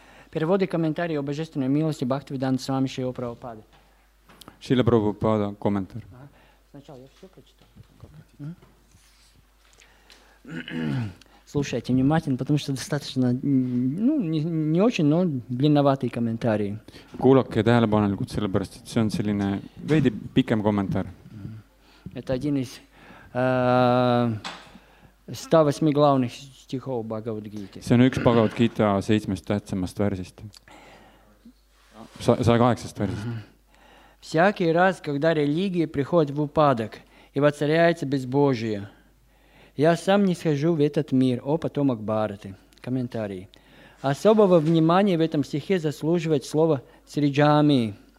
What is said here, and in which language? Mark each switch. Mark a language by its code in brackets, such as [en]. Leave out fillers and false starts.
[ru] Переводы комментарии о божественной милости Бхактивиданты Свами Шрилы Прабхупады. Шрила Прабхупада, комментарий. Сначала я все прочитаю. Слушайте внимательно, потому что достаточно, ну, не очень, но длинноватый комментарий. [et] Кулаке тähelepanelikult, sellepärast, et see on selline veidi pikem kommentaar. [ru] Это один из 108 главных стихов Бхагавад-гиты. [et] See on üks Bhagavad-gita seitsmest tähtsamast värsist. 108-st värsist. [ru] Всякий раз, когда религии приходят в упадок и воцаряется безбожие, я сам не схожу в этот мир, о потомок Бхараты. Комментарий. Особого внимания в этом стихе заслуживает слово «сриджами».